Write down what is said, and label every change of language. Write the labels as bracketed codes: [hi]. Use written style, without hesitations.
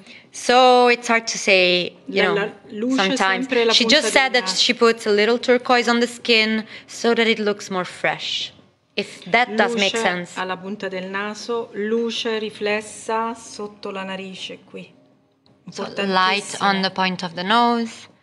[en] So it's hard to say, you know, sometimes. She just said that she puts a little turquoise on the skin so that it looks more fresh. If that does make sense. [it] Luce alla punta del naso, luce riflessa sotto la narice qui. [en] So light on the point of the nose.